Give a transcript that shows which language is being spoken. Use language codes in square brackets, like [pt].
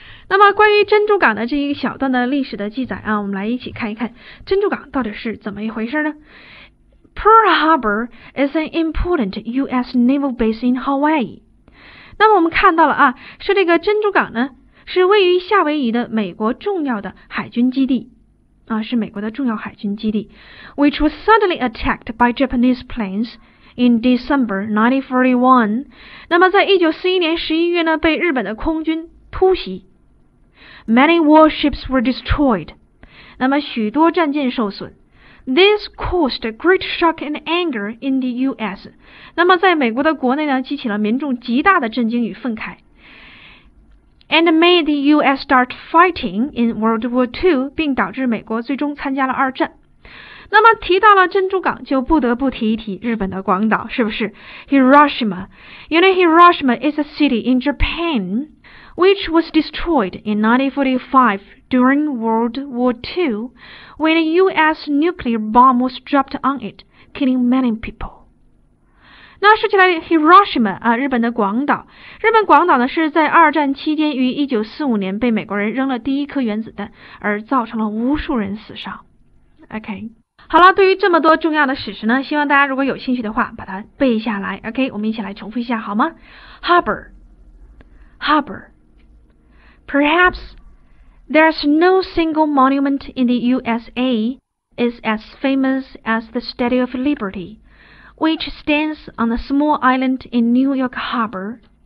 [zh] 那么关于珍珠港的这一小段的历史的记载啊，我们来一起看一看珍珠港到底是怎么一回事呢？ [en] Pearl Harbor is an important U.S. naval base in Hawaii. [zh] 那么我们看到了啊，是这个珍珠港呢，是位于夏威夷的美国重要的海军基地。是美国的重要海军基地 [en] ，which was suddenly attacked by Japanese planes in December 1941. [zh] 那么在1941年11月呢，被日本的空军突袭。 [en] Many warships were destroyed. [zh] 那么许多战舰受损。 [en] This caused a great shock and anger in the U.S. [zh] 那么在美国的国内呢，激起了民众极大的震惊与愤慨。 [en] And made the U.S. start fighting in World War II, [zh] 并导致美国最终参加了二战。那么提到了珍珠港，就不得不提一提日本的广岛，是不是 [en] ？Hiroshima, you know Hiroshima is a city in Japan, which was destroyed in 1945 during World War II, when a U.S. nuclear bomb was dropped on it, killing many people. [zh] 那说起来 Hiroshima 啊，日本的广岛，日本广岛呢是在二战期间于1945年被美国人扔了第一颗原子弹，而造成了无数人死伤。 OK， 好了，对于这么多重要的史实呢，希望大家如果有兴趣的话，把它背下来。 OK， 我们一起来重复一下好吗 ？Harbor，Harbor， [en] perhaps there's no single monument in the USA is as famous as the Statue of Liberty. Which stands on a small island in New York Harbor.